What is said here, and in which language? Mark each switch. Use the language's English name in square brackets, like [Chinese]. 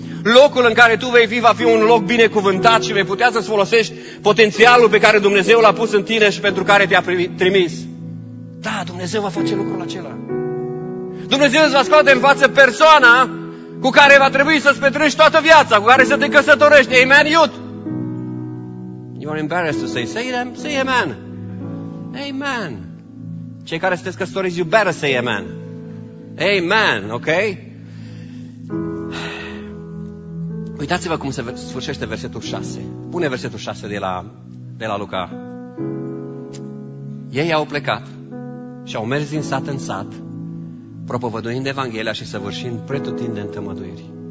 [Romanian] locul în care tu vei fi va fi un loc binecuvântat și vei putea să-ți folosești potențialul pe care Dumnezeu l-a pus în tine și pentru care te-a trimis. Da, Dumnezeu va face lucrul acela. Dumnezeu îți va scoate în față persoana cu care va trebui să-ți petrești toată viața, cu care să te căsătorești. [English] Amen, youth! You are embarrassed to say, say them, say amen. Amen. [Romanian] Cei care sunteți căsătoriți, [English] you better say amen. Amen, ok? [Romanian] Uitați-vă cum se sfârșește versetul 6. Pune versetul 6 de la Luca. Ei au plecat și au mers din sat în sat, propovăduind Evanghelia și săvârșind pretutindeni de întămăduiri.